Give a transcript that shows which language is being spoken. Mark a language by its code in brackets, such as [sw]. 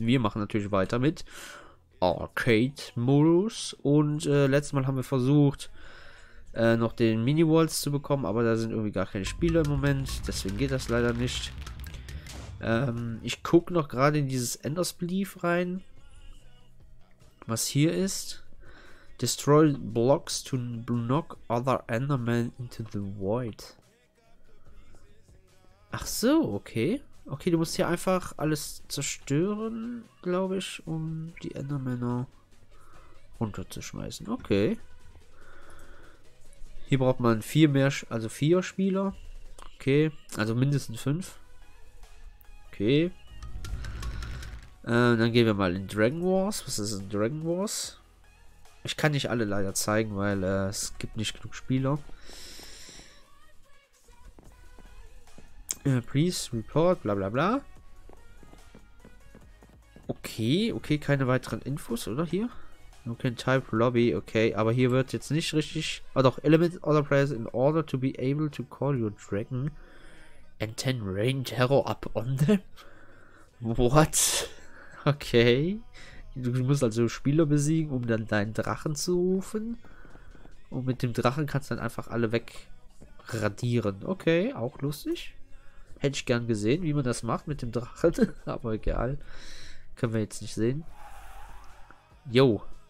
[de] Wir machen natürlich weiter mit Arcade-Modus und letztes Mal haben wir versucht, noch den Mini-Walls zu bekommen, aber da sind irgendwie gar keine Spieler im Moment, deswegen geht das leider nicht. Ich gucke noch gerade in dieses Endersbelief rein, was hier ist. [en] Destroy blocks to knock other Endermen into the void. [de] Ach so, okay. Okay, du musst hier einfach alles zerstören, glaube ich, um die Endermänner runterzuschmeißen. Okay. Hier braucht man viel mehr, also vier Spieler. Okay, also mindestens fünf. Okay. Dann gehen wir mal in Dragon Wars. Was ist in Dragon Wars? Ich kann nicht alle leider zeigen, weil es gibt nicht genug Spieler. [en] Please report, bla bla bla. [de] Okay, keine weiteren Infos, oder hier? [en] You can type lobby, [de] okay, aber hier wird jetzt nicht richtig. Oh doch, [en] eliminate other players in order to be able to call your dragon and then rain terror up on them. What? Okay. [de] Du musst also Spieler besiegen, um dann deinen Drachen zu rufen. Und mit dem Drachen kannst du dann einfach alle wegradieren. Okay, auch lustig. Hätte ich gern gesehen, wie man das macht mit dem Drachen. Aber egal. Können wir jetzt nicht sehen. Yo.